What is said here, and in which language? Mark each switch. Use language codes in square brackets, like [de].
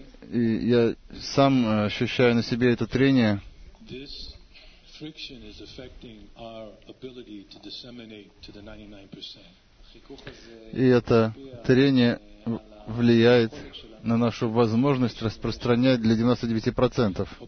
[ru] И я сам ощущаю на себе это трение. [en] Friction is affecting our ability to disseminate to the 99%. [ru] И это трение влияет на нашу возможность распространять для 99%.